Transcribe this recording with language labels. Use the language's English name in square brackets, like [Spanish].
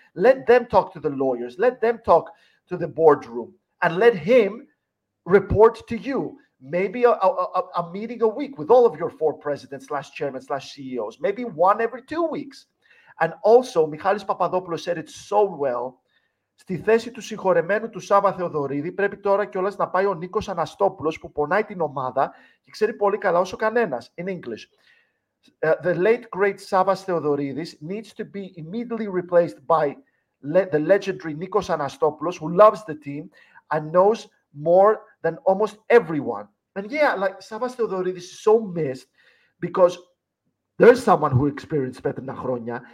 [English] Let them talk to the lawyers. Let them talk to the boardroom. And let him report to you. Maybe a meeting a week with all of your four presidents / chairman / CEOs. Maybe one every 2 weeks. And also, Michalis Papadopoulos said it so well. [Greek] Στη θέση του συγχωρεμένου του Σάβα Θεοδωρίδη πρέπει τώρα κιόλας να πάει ο Νίκος Αναστόπουλος που πονάει την ομάδα και ξέρει πολύ καλά όσο κανένας. [English] In English. The late great Savas Theodoridis needs to be immediately replaced by the legendary Nikos Anastopoulos, who loves the team and knows more than almost everyone. And yeah, like Savas Theodoridis is so missed because there's someone who experienced Petrina Chronia.